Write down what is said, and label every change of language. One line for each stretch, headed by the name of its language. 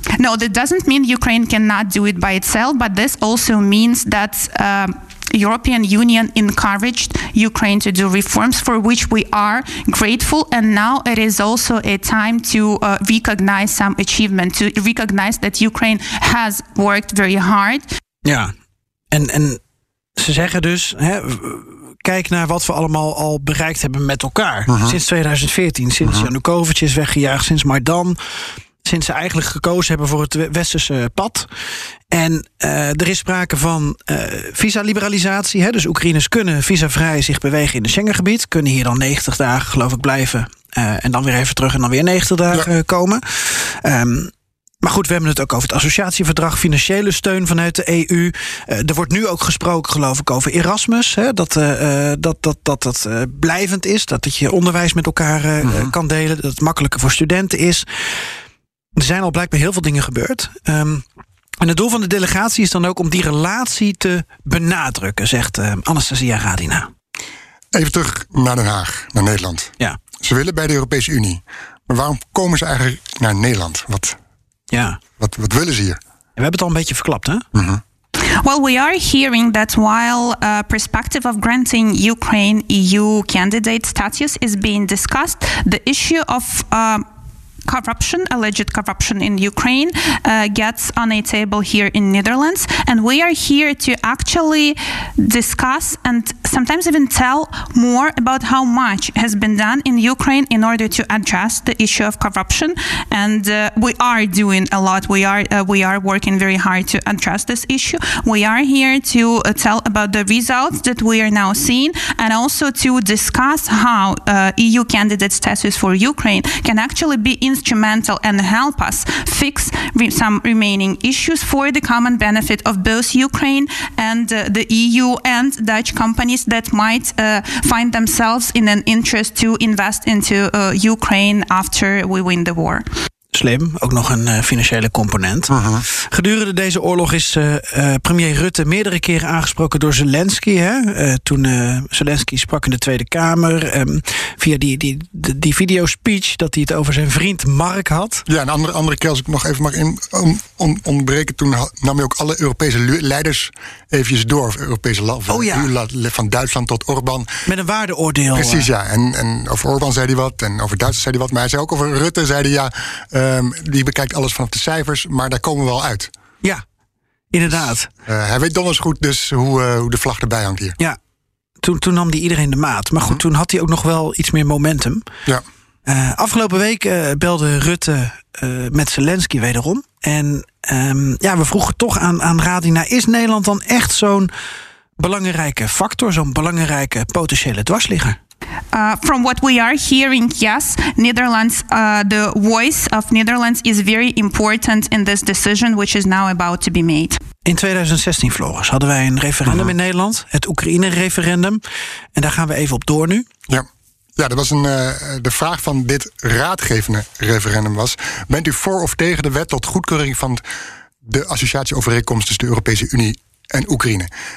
English: No, that doesn't mean Ukraine cannot do it by itself, but this also means that European Union encouraged Ukraine to do reforms for which we are grateful, and now it is also a time to recognize some achievement, to recognize that Ukraine has worked very hard.
Dutch: Ja, en ze zeggen dus, hè, kijk naar wat we allemaal al bereikt hebben met elkaar. Uh-huh. Sinds 2014, sinds uh-huh. Janukovic is weggejaagd, sinds Maidan. Sinds ze eigenlijk gekozen hebben voor het westerse pad. En er is sprake van visa-liberalisatie. Hè, dus Oekraïners kunnen visavrij zich bewegen in het Schengengebied. Kunnen hier dan 90 dagen, geloof ik, blijven. En dan weer even terug en dan weer 90 dagen komen. Maar goed, we hebben het ook over het associatieverdrag, financiële steun vanuit de EU. Er wordt nu ook gesproken, geloof ik, over Erasmus. Hè, dat blijvend is, dat je onderwijs met elkaar kan delen. Dat het makkelijker voor studenten is. Er zijn al blijkbaar heel veel dingen gebeurd. En het doel van de delegatie is dan ook om die relatie te benadrukken, zegt Anastasia Radina. Even terug naar Den Haag, naar Nederland. Ja. Ze willen bij de Europese Unie. Maar waarom komen ze eigenlijk naar Nederland? Wat willen ze hier? We hebben het al een beetje verklapt, hè? Mm-hmm.
English: Well, we are hearing that while a perspective of granting Ukraine EU candidate status is being discussed, the issue of corruption, alleged corruption in Ukraine, gets on a table here in Netherlands. And we are here to actually discuss and sometimes even tell more about how much has been done in Ukraine in order to address the issue of corruption. And we are doing a lot. We are working very hard to address this issue. We are here to tell about the results that we are now seeing and also to discuss how EU candidate status for Ukraine can actually be instrumental and help us fix some remaining issues for the common benefit of both Ukraine and the EU and Dutch companies that might find themselves in an interest to invest into Ukraine after we win the war.
Dutch: Slim, ook nog een financiële component. Uh-huh. Gedurende deze oorlog is premier Rutte meerdere keren aangesproken door Zelensky. Hè? Toen Zelensky sprak in de Tweede Kamer. Via die videospeech dat hij het over zijn vriend Mark had. Ja, een andere keer, als ik nog even mag ontbreken. Toen nam hij ook alle Europese leiders eventjes door. Europese van Duitsland tot Orbán. Met een waardeoordeel. Precies, ja. En over Orbán zei hij wat. En over Duitsland zei hij wat. Maar hij zei ook over Rutte, zei hij ja. Die bekijkt alles vanaf de cijfers, maar daar komen we wel uit. Ja, inderdaad. Dus, hij weet donders goed dus hoe de vlag erbij hangt hier. Ja, toen nam hij iedereen de maat. Maar goed, toen had hij ook nog wel iets meer momentum. Ja. Afgelopen week belde Rutte met Zelensky wederom. En we vroegen toch aan Radina, is Nederland dan echt zo'n belangrijke factor, zo'n belangrijke potentiële dwarsligger?
English: From what we are hearing, yes, Netherlands, the voice of Netherlands is very important in this decision which is now about to be made.
Dutch: In 2016, Floris, hadden wij een referendum in Nederland, het Oekraïne-referendum. En daar gaan we even op door nu. Ja, ja, dat was de vraag van dit raadgevende referendum was: bent u voor of tegen de wet tot goedkeuring van de associatieovereenkomst tussen de Europese Unie en Oekraïne?